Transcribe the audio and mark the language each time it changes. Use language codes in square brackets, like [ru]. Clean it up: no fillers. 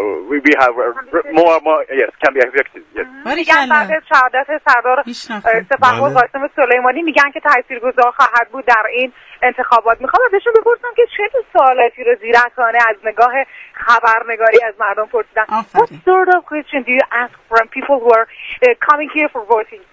[fa] we have more yes can be affected yes میگن بعد از شهادت سردار سپهبد قاسم سلیمانی میگن که تاثیرگذار خواهد بود در این انتخابات. میخوام ازشون بپرسم که چه سوالاتی رو زیرکانه از نگاه خبرنگاری از مردم پرسیدن. [en] What sort of question do you ask from people who are coming here for voting?